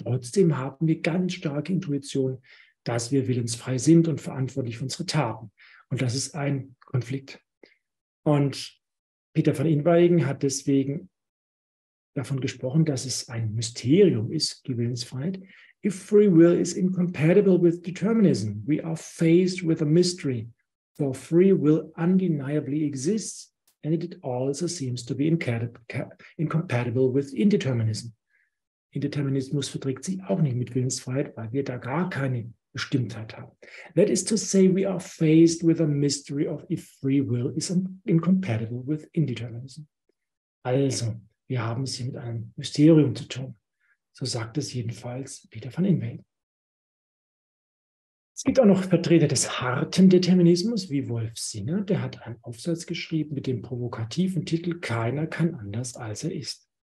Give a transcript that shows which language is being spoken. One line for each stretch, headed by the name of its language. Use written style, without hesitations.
German: Trotzdem haben wir ganz starke Intuition, dass wir willensfrei sind und verantwortlich für unsere Taten. Und das ist ein Konflikt. Und Peter van Inwagen hat deswegen davon gesprochen, dass es ein Mysterium ist, die Willensfreiheit.
English: If free will is incompatible with determinism, we are faced with a mystery. For free will undeniably exists, and it also seems to be incompatible with indeterminism.
German: Indeterminismus verträgt sich auch nicht mit Willensfreiheit, weil wir da gar keine Bestimmtheit haben.
English: That is to say, we are faced with a mystery of if free will is incompatible with indeterminism.
German: Also, wir haben es hier mit einem Mysterium zu tun. So sagt es jedenfalls Peter van Inwagen. Es gibt auch noch Vertreter des harten Determinismus, wie Wolf Singer. Der hat einen Aufsatz geschrieben mit dem provokativen Titel Keiner kann anders, als er ist.